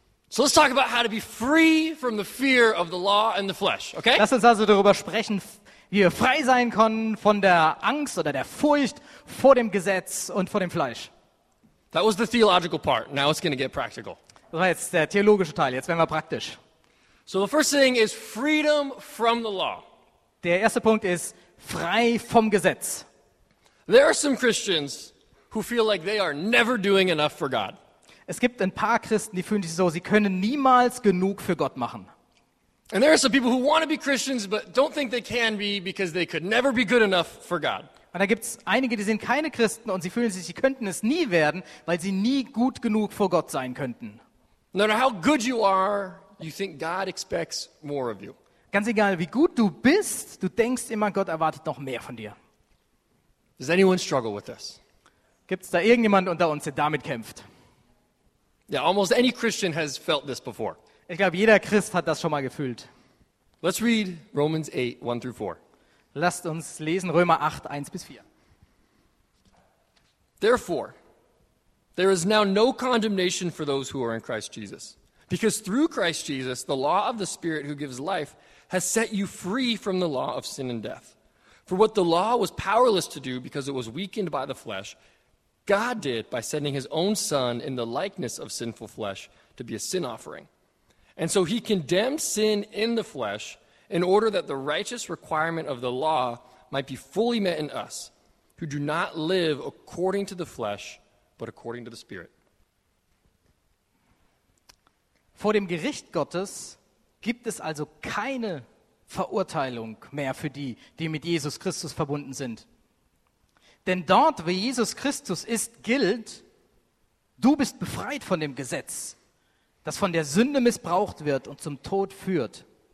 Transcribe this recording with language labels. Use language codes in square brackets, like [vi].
[en] So let's talk about how to be free from the fear of the law and the flesh, okay? [de] Lass uns also darüber sprechen, wie wir frei sein können von der Angst oder der Furcht vor dem Gesetz und vor dem Fleisch. [en] That was the theological part. Now it's going to get practical. [de] Das war jetzt der theologische Teil. Jetzt werden wir praktisch. [en] So the first thing is freedom from the law. [de] Der erste Punkt ist frei vom Gesetz. [en] There are some Christians who feel like they are never doing enough for God. [de] Es gibt ein paar Christen, die fühlen sich so, sie können niemals genug für Gott machen. [en] And there are some people who want to be Christians but don't think they can be because they could never be good enough for God. [de] Und da gibt's einige, die sind keine Christen und sie fühlen sich, sie könnten es nie werden, weil sie nie gut genug vor Gott sein könnten. [en] No matter how good you are, you think God expects more of you. [de] Ganz egal, wie gut du bist, du denkst immer, Gott erwartet noch mehr von dir. [en] Does anyone struggle with this? [de] Gibt's da irgendjemand unter uns, der damit kämpft? [en] Yeah, almost any Christian has felt this before. [de] Ich glaube, jeder Christ hat das schon mal gefühlt. [en] Let's read Romans 8, 1 through 4. [de] Lasst uns lesen Römer 8, 1 bis 4. [en] Therefore, there is now no condemnation for those who are in Christ Jesus. Because through Christ Jesus, the law of the Spirit who gives life has set you free from the law of sin and death. For what the law was powerless to do because it was weakened by the flesh, God did by sending his own Son in the likeness of sinful flesh to be a sin offering. And so he condemned sin in the flesh in order that the righteous requirement of the law might be fully met in us, who do not live according to the flesh, but according to the Spirit. [de] Vor dem Gericht Gottes gibt es also keine Verurteilung mehr für die, die mit Jesus Christus verbunden sind. Denn dort, wo Jesus Christus ist, gilt, du bist befreit von dem Gesetz, das von der Sünde missbraucht wird und zum Tod führt.